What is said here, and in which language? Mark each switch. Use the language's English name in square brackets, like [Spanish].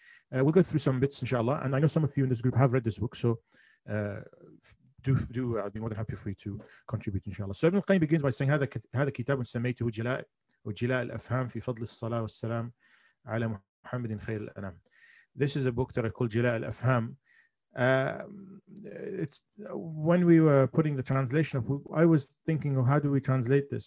[English] We'll go through some bits, inshallah. And I know some of you in this group have read this book, so I'd be more than happy for you to contribute, inshallah. So Ibn al-Qayyim begins by saying, [Arabic] هذا كتاب سميته جلاء الأفهام في فضل الصلاة والسلام على محمد خير الأنام. [English] This is a book that I call جلاء الأفهام, It's when we were putting the translation up, I was thinking of how do we translate this.